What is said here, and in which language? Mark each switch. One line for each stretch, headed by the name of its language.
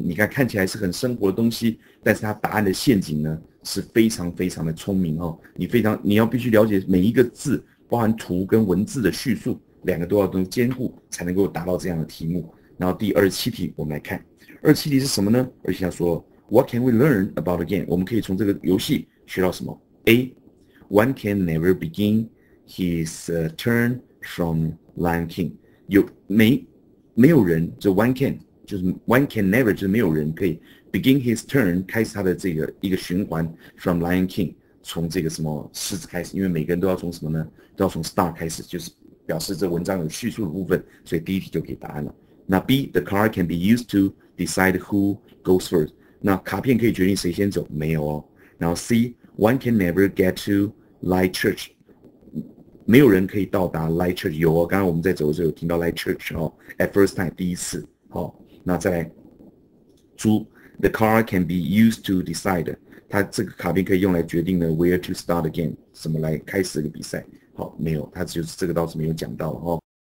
Chinese: 你看起来是很生活的东西，但是它答案的陷阱呢，是非常非常的聪明哦。你要必须了解每一个字，包含图跟文字的叙述，两个都要都兼顾，才能够达到这样的题目。然后第27题，我们来看，27题是什么呢？而且他说，
English: What can we learn about the game？
Chinese: 我们可以从这个游戏学到什么？A.
English: One can never begin his turn from Lion King.
Chinese: 没有人，就
English: one can
Chinese: 就是
English: one can never
Chinese: 就是没有人可以
English: begin his turn
Chinese: 开始他的这个一个循环
English: from Lion King
Chinese: 从这个什么狮子开始，因为每个人都要从什么呢？都要从 star 开始，就是表示这文章有叙述的部分，所以第一题就给答案了。
English: 那 B the card can be used to decide who goes first.
Chinese: 那卡片可以决定谁先走，没有哦。
English: 然后 C one can never get to Light Church.
Chinese: 没有人可以到达 Light Church。有哦，刚刚我们在走的时候有听到 Light Church 哦，
English: at first time
Chinese: 第一次。好，那再来，猪
English: the car can be used to decide。
Chinese: 它这个卡片可以用来决定呢
English: where to start again
Chinese: 怎么来开始一个比赛。好，没有，它就是这个倒是没有讲到哦。